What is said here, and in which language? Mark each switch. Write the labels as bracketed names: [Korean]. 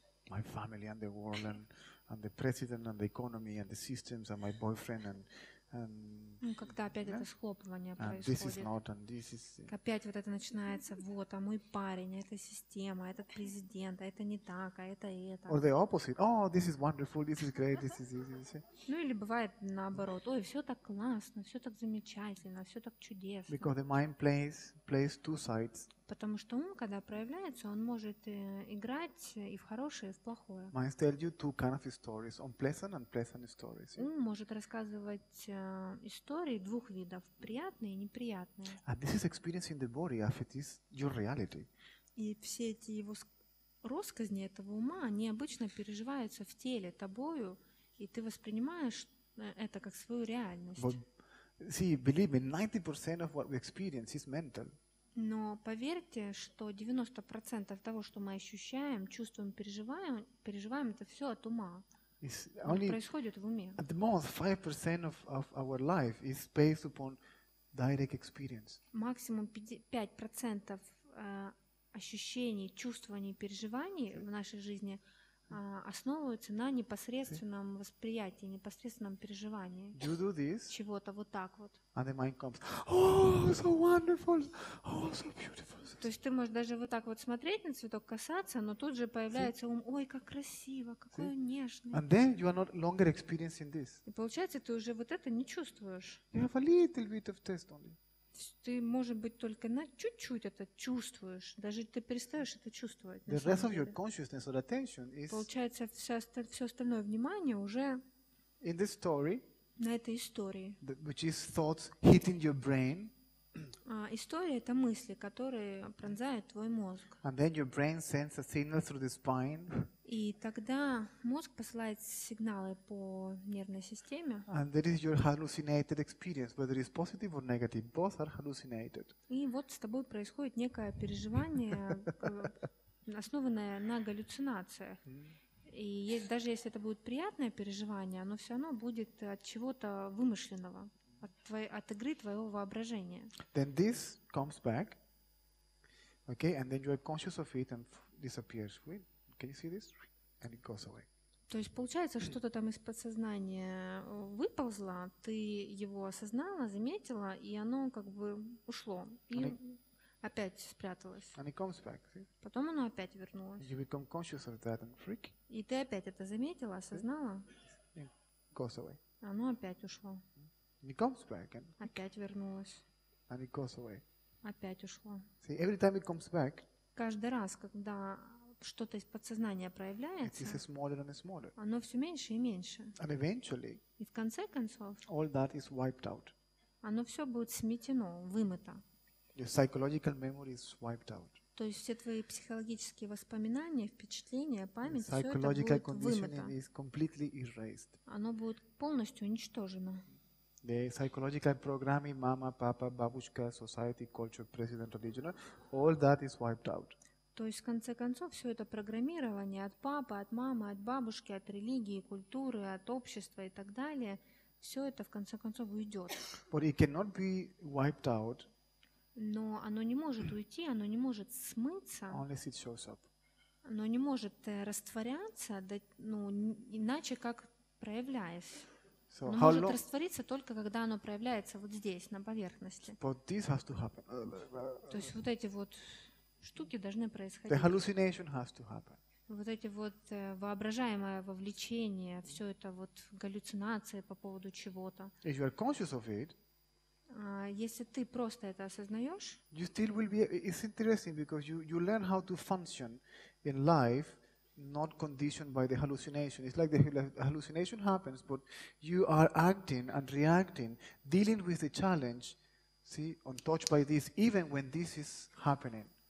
[English] My family and the world and the president and the economy and the systems and my boyfriend and [Russian] ну, когда опять это схлопывание происходит. [English] This is not, and this is, [Russian] опять вот это начинается, вот, а мой парень, а эта система, а этот президент, а это не так, а это. [English] Or the opposite. Oh, this is wonderful, this is great, this is easy. [Russian] Ну или бывает наоборот. Ой, все так классно, все так замечательно, все так чудесно. [English] Because the mind plays two sides. [Russian] Потому что ум, когда проявляется, он может играть и в хорошее, и в плохое. [English] Mind tells you two kind of stories, unpleasant and pleasant stories. [Russian] Ум может рассказывать истории двух видов, приятные и неприятные. [English] And this is experience in the body, as it is your reality. [Russian] И все эти его россказни этого ума, они обычно переживаются в теле тобою, и ты воспринимаешь это как свою реальность. [English] But, see, believe me, 90% of what we experience is mental. [Russian] Но поверьте, что 90% того, что мы ощущаем, чувствуем, переживаем, это все от ума. Это происходит в уме. [English] At the most, 5% of our life is based upon direct experience. [Russian] Максимум 5% ощущений, чувствований, переживаний в нашей жизни основываются на непосредственном восприятии, непосредственном переживании. [English] You do this, [Russian] чего-то вот так вот. [English] And the mind comes, oh, so wonderful, oh, so beautiful. [Russian] То есть ты можешь даже вот так вот смотреть на цветок, касаться, но тут же появляется ум, ой, как красиво, какой он нежный. [English] And then you are not longer experiencing this. [Russian] И получается, ты уже вот это не чувствуешь. [English] You have a little bit of taste only. [Russian] Ты, может быть, только на чуть-чуть это чувствуешь. Даже ты перестаешь это чувствовать. [English] The rest of your consciousness or attention is [Russian] получается, все остальное внимание уже [English] in this story, [Russian] на этой истории. [English] Which is thoughts hitting your brain. [Russian] История — это мысли, которые пронзают твой мозг. [English] And then your brain sends a signal through the spine. [Russian] И тогда мозг посылает сигналы по нервной системе. [English] And that is your hallucinated experience, whether it's positive or negative, both are hallucinated. [Russian] И вот с тобой происходит некое переживание, основанное на галлюцинациях. И даже если это будет приятное переживание, оно все равно будет от чего-то вымышленного, от игры твоего воображения. [English] Then this comes back, okay, and then you are conscious of it and disappears. Can you see this? And it goes away. [Russian] То есть получается, что-то там из подсознания выползло, ты его осознала, заметила, и оно как бы ушло. И опять спряталось. [English] And it comes back, see? [Russian] Потом оно опять вернулось. [English] You become conscious of that and freak. [Russian] И ты опять это заметила, осознала. [English] Yeah. Goes away. [Russian] Оно опять ушло. [English] And it comes back and [Russian] опять вернулось. [English] And it goes away. [Russian] Опять ушло. [English] See, every time it comes back, [Russian] каждый раз, когда что-то из подсознания проявляется, [English] smaller and smaller. [Russian] Оно все меньше и меньше. [English] And eventually, [Russian] и в конце концов [English] all that is wiped out. [Russian] Оно все будет сметено, вымыто. [English] Your psychological memory is wiped out. [Russian] То есть все твои психологические воспоминания, впечатления, память, все это будет [English] conditioning [Russian] вымыто. [English] Is completely erased. [Russian] Оно будет полностью уничтожено. [English] The psychological programming, mama, papa, бабушка, society, culture, president, religion, all that is wiped out. [Russian] То есть, в конце концов, все это программирование от папы, от мамы, от бабушки, от религии, культуры, от общества и так далее, все это, в конце концов, уйдет. [English] But it cannot be wiped out. [Russian] Но оно не может уйти, оно не может смыться. Unless it shows up. Оно не может растворяться, ну, иначе как проявляясь. [English] So [Russian] оно может раствориться только, когда оно проявляется вот здесь, на поверхности. [English] But this has to happen. [Russian] То есть, вот эти вот штуки должны происходить. [English] The hallucination has to happen. [Russian] Вот эти вот воображаемое вовлечение, все это вот галлюцинации по поводу чего-то. [English] If you are conscious of it, [Russian] если ты просто это осознаешь, [English] you still will be. It's interesting because you learn how to function in life, not conditioned by the hallucination. It's like the hallucination happens, but you are acting and reacting, dealing with the challenge, see, untouched by this, even when this is happening.